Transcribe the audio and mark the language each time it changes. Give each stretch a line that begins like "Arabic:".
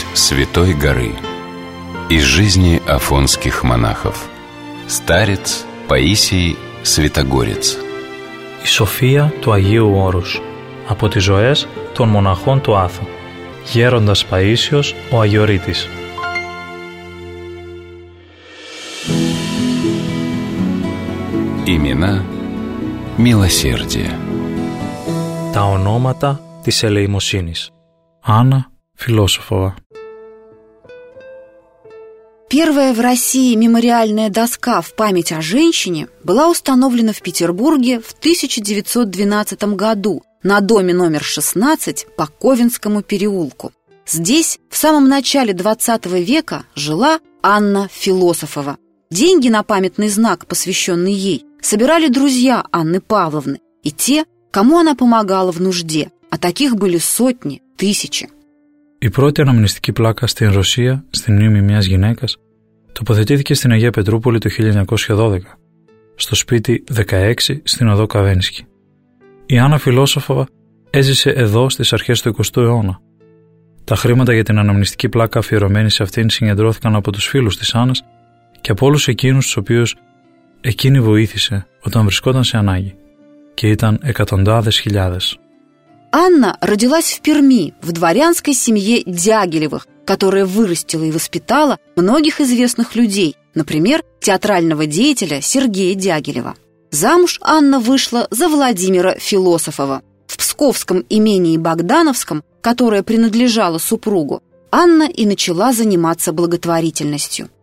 Russian: Из жизни афонских монахов. Старец Паисий Святогорец.
Greek: Η Σοφία του Αγίου Όρους. Από τις ζωές των μοναχών του Άθου. Γέροντας Παΐσιος ο Αγιορείτης.
Russian: Имена милосердия.
Greek: Τα ονόματα της ελεημοσύνης. Άννα Φιλόσοφα.
Russian: Первая в России мемориальная доска в память о женщине была установлена в Петербурге в 1912 году на доме номер 16 по Ковенскому переулку. Здесь в самом начале 20 века жила Анна Философова. Деньги на памятный знак, посвященный ей, собирали друзья Анны Павловны и те, кому она помогала в нужде, а таких были сотни, тысячи.
Greek: Η πρώτη αναμνηστική πλάκα στην Ρωσία, στην μνήμη μιας γυναίκας, τοποθετήθηκε στην Αγία Πετρούπολη το 1912, στο σπίτι 16 στην οδό Καβένσκι. Η Άννα Φιλόσοφα έζησε εδώ στις αρχές του 20ου αιώνα. Τα χρήματα για την αναμνηστική πλάκα αφιερωμένη σε αυτήν συγκεντρώθηκαν από τους φίλους της Άννας και από όλους εκείνους τους οποίους εκείνη βοήθησε όταν βρισκόταν σε ανάγκη. Και ήταν εκατοντάδες χιλιάδες.
Russian: Анна родилась в Перми, в дворянской семье Дягилевых, которая вырастила и воспитала многих известных людей, например, театрального деятеля Сергея Дягилева. Замуж Анна вышла за Владимира Философова. В псковском имении Богдановском, которое принадлежало супругу, Анна и начала заниматься благотворительностью.